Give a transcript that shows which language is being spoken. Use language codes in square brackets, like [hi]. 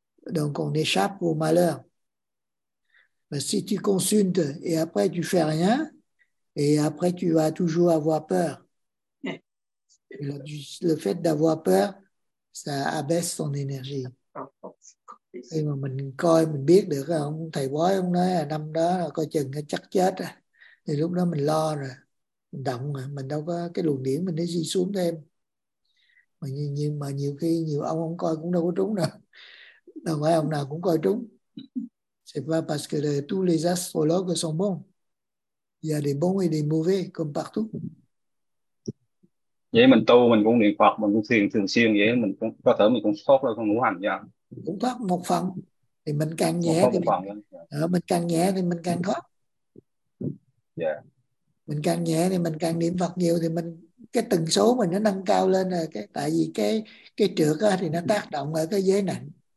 [fr] Donc, on échappe au malheur. Mais si tu consultes et après tu fais rien, et après tu vas toujours avoir peur. Le fait d'avoir peur, ça abaisse ton énergie. [vi] Khi mà mình coi, mình biết được là ông thầy bói, ông nói là năm đó là coi chừng nó chắc chết. Thì lúc đó mình lo rồi, mình động rồi, mình đâu có cái luồng điển mình để đi xuống thêm. Nhưng mà nhiều khi nhiều ông không coi cũng đâu có trúng đâu. Đâu phải ông nào cũng coi trúng. [fr] C'est pas parce que tous les astrologues sont bons. Il y a des bons et des mauvais, comme partout. [vi] Vậy mình tu, mình cũng niệm Phật, mình cũng thiền thường xuyên vậy, mình cũng có thể mình cũng tốt rồi, không ngũ hành vậy. Cũng thoát một phần thì mình càng nhẹ một thì phần mình càng nhẹ thì mình càng thoát. Yeah. Mình càng nhẹ thì mình càng niệm Phật nhiều thì mình cái tần số mình nó nâng cao lên rồi, cái tại vì cái trược á thì nó tác động ở cái giới nặng.